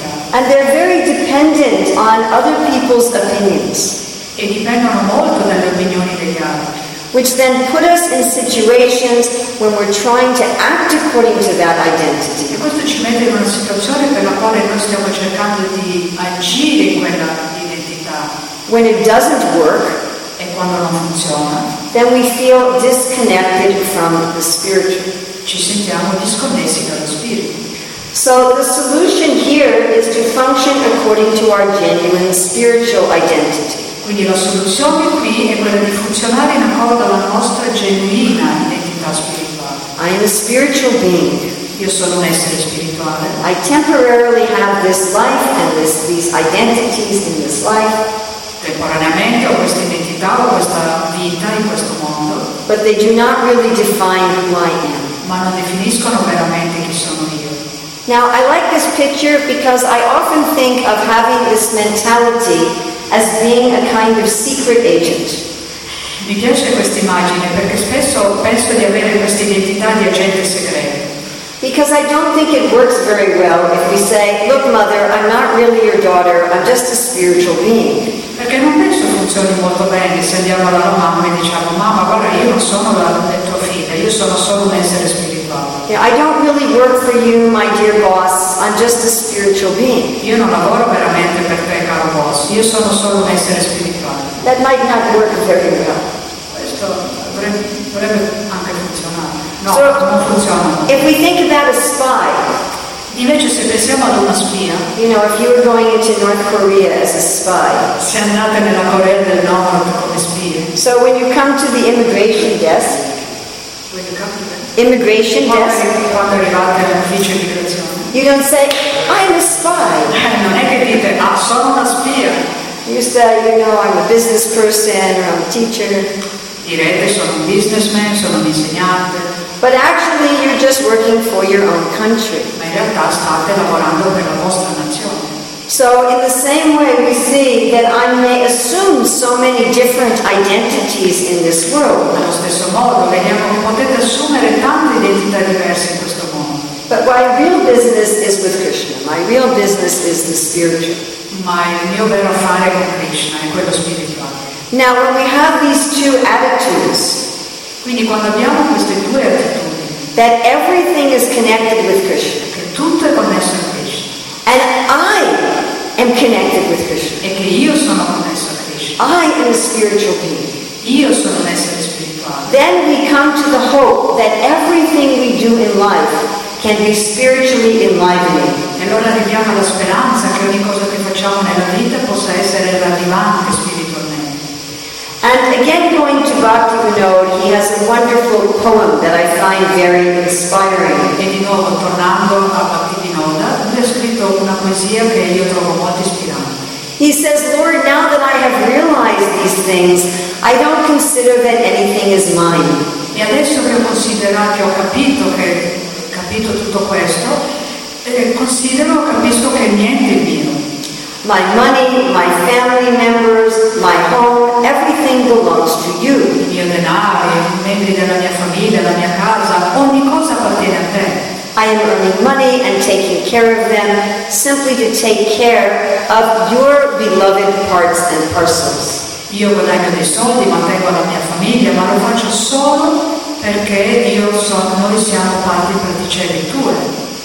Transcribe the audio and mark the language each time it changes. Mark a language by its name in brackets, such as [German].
[English] And they're very dependent on other people's opinions. [Italian] E dipendono molto dalle opinioni degli altri. [English] Which then put us in situations when we're trying to act according to that identity. [Italian] E questo ci mette in una situazione per la quale noi stiamo cercando di agire in quella identità. [English] When it doesn't work, [Italian] e quando non funziona, [English] then we feel disconnected from the spirit. [Italian] Ci sentiamo disconnessi dallo spirito. [English] So the solution here is to function according to our genuine spiritual identity. [Italian] Quindi la soluzione qui è quella di funzionare in accordo alla nostra genuina identità spirituale. [English] I am a spiritual being. [Italian] Io sono un essere spirituale. [English] I temporarily have this life and these identities in this life. [Italian] Temporaneamente ho questa identità, ho questa vita in questo mondo. [English] But they do not really define who I am. [Italian] Ma non definiscono veramente chi sono io. [English] Now, I like this picture because I often think of having this mentality as being a kind of secret agent. [Italian] Mi piace questa immagine perché spesso penso di avere questa identità di agente segreto. [English] Because I don't think it works very well if we say, look, mother, I'm not really your daughter, I'm just a spiritual being. [Italian] Perché non penso funzioni molto bene se andiamo alla mamma e diciamo, mamma, guarda, io non sono la tua figlia, io sono solo un essere spirituale. [English] Yeah, I don't really work for you, my dear boss, I'm just a spiritual being. [Italian] Io non lavoro veramente per te, caro boss, io sono solo un essere spirituale. [English] That might not work very well. [Italian] Questo potrebbe anche funzionare. No, non funziona. [English] If we think about a spy, [Italian] invece se pensiamo ad una spia, [English] you know, if you were going into North Korea as a spy, [Italian] se andate nella Corea del Nord come spia, [English] so when you come to the immigration desk, when you come to the immigration desk, [Italian] quando arrivate all'ufficio immigrazione, [English] you don't say, I'm a spy. [Italian] Non è che dite, ah, sono una spia. [English] You say, you know, I'm a business person or I'm a teacher. [Italian] Direte, sono un businessman, sono un insegnante. [English] But actually, you're just working for your own country. [Italian] Ma in realtà state lavorando per la vostra nazione. [English] So, in the same way, we see that I may assume so many different identities in this world. [Italian] Nello stesso modo, vediamo che potete assumere tante identità diverse in questo mondo. [English] But my real business is with Krishna. My real business is the spiritual. [Italian] Ma il mio vero affare con Krishna è quello spirituale. [English] Now, when we have these two attitudes, [Italian] quindi quando abbiamo queste due attitudini, [English] that everything is connected with Krishna, [Italian] che tutto è connesso a Krishna, [English] and I am connected with Krishna, [Italian] e che io sono connesso a Krishna, [English] I am a spiritual being, [Italian] io sono un essere spirituale, [English] then we come to the hope that everything we do in life can be spiritually enlivening. [Italian] E allora arriviamo alla speranza che ogni cosa che facciamo nella vita possa essere enlivante spiritualmente. [English] And again, going to Bhakti Vinod, he has a wonderful poem that I find very inspiring. [Italian] E di nuovo tornando a Bhakti Vinod, lui ha scritto una poesia che io trovo molto ispirante. [English] He says, Lord, now that I have realized these things, I don't consider that anything is mine. [Italian] E adesso che ho considerato, che ho capito, che capito tutto questo, considero, capisco che niente è mio. [English] My money, my family members, my home, everything belongs to you. [Italian] Il mio denaro, i membri della mia famiglia, la mia casa, ogni cosa appartiene a te. [English] I am earning money and taking care of them simply to take care of your beloved parts and parcels. [Italian] Io guadagno dei soldi, mantengo la mia famiglia, ma lo faccio solo perché io so che noi siamo parti particelle tue.